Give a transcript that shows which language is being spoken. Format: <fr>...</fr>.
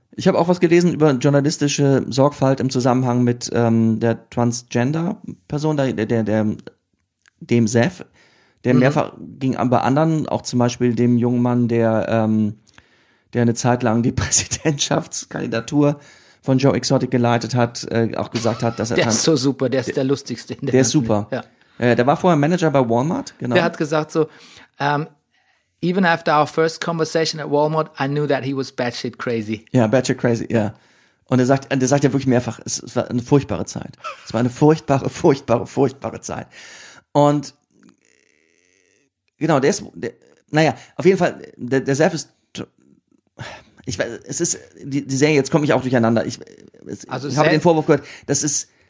<de>Ich habe auch was gelesen über journalistische Sorgfalt im Zusammenhang mit der Transgender-Person, dem Sef, der mehrfach ging bei anderen, auch zum Beispiel dem jungen Mann, der eine Zeit lang die Präsidentschaftskandidatur von Joe Exotic geleitet hat, auch gesagt hat, dass er... Der ist so super, der ist der lustigste. Der ist super. Ja. Der war vorher Manager bei Walmart, genau. Der hat gesagt so,</de> <en>even after our first conversation at Walmart, I knew that he was batshit crazy.</en> <de>Ja,</de> <en>batshit crazy,</en> <de>ja. Und er sagt ja wirklich mehrfach, es war eine furchtbare Zeit. Es war eine furchtbare, furchtbare, furchtbare Zeit. Und genau, auf jeden Fall, der Self ist... Ich weiß, es ist die Serie, jetzt komme ich auch durcheinander. Ich habe den Vorwurf gehört, das ist</de>